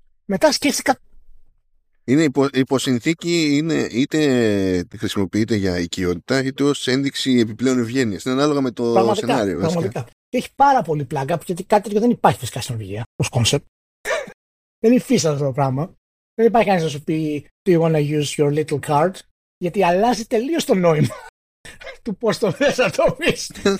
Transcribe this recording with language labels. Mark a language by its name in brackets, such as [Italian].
[Greek] Μετά σκέφτηκα. Είναι υποσυνθήκη, είναι είτε χρησιμοποιείται για οικειότητα, είτε ως ένδειξη επιπλέον ευγένεια. Είναι ανάλογα με το πραγματικά, σενάριο. Πραγματικά. Και έχει πάρα πολύ πλάκα, γιατί κάτι τέτοιο δεν υπάρχει φυσικά στην Νορβηγία ως κόνσεπτ. Δεν υφίσταται αυτό το πράγμα. Δεν υπάρχει κανείς να σου πει [English] «Do you wanna use your little card»? [Greek] Γιατί αλλάζει τελείως το νόημα του πώς το θες να το πεις.